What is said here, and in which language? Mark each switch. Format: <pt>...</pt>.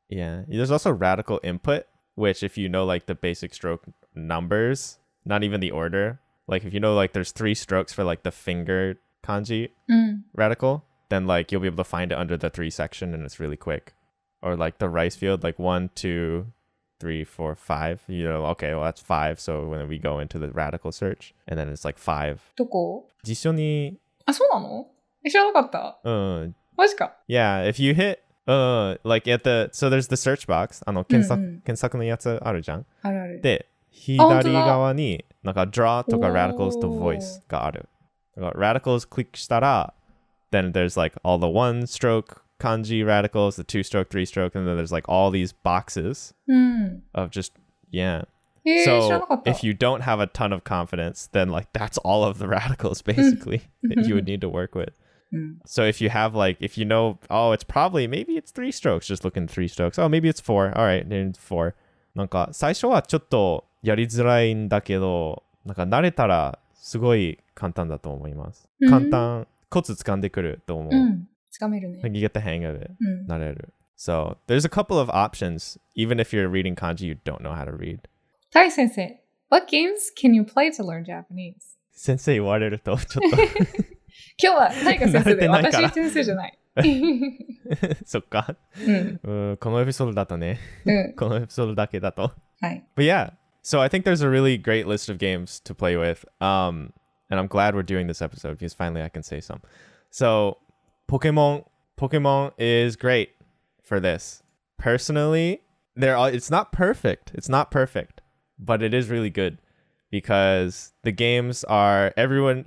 <en>Yeah, there's also radical input, which if you know like the basic stroke numbers, not even the order, like if you know like there's three strokes for like the finger kanji radical, then like you'll be able to find it under the three section and it's really quick. Or like the rice field, like one, two, 3, 4, 5. You know, okay, well, that's 5. So when we go into the radical search, and then it's like 5.</en> <ja>どこ? 辞書に... あ、 そうなの?知らなかった?マジか?</ja> <en>Yeah, if you hit, like at the, so there's the search box.</en> <ja>あの、検索のやつあるじゃん? あるある。で、左側に、なんか draw とか radicals と voice がある。</ja> <en>Radicals</en> <ja>clickしたら、</ja> <en>then there's like all the one stroke kanji radicals, the two stroke, three stroke, and then there's like all these boxes of just, yeah. So if you don't have a ton of confidence, then like that's all of the radicals basically that you would need to work with. So if you have like, if you know, oh, it's probably, maybe it's three strokes, just look in three strokes. Oh, maybe it's four. All right, then four.</en> <ja>なんか最初はちょっとやりづらいんだけど、 なんか慣れたらすごい簡単だと思います。簡単、コツ掴んでくると思う。掴めるね。</ja> <en>You get the hang of it.</en> <ja>慣れる。</ja> <en>So there's a couple of options, even if you're reading kanji, you don't know how to read. タイ先生, what games can you play to learn Japanese?</en> <ja>先生言われるとちょっと。今日はタイ先生で、私先生じゃない。そっか。このエピソードだとね。このエピソードだけだと。はい。</ja> <en>But yeah. So I think there's a really great list of games to play with. And I'm glad we're doing this episode because finally I can say some. So Pokemon is great for this. Personally, it's not perfect. It's not perfect, but it is really good because the games are everyone.</en>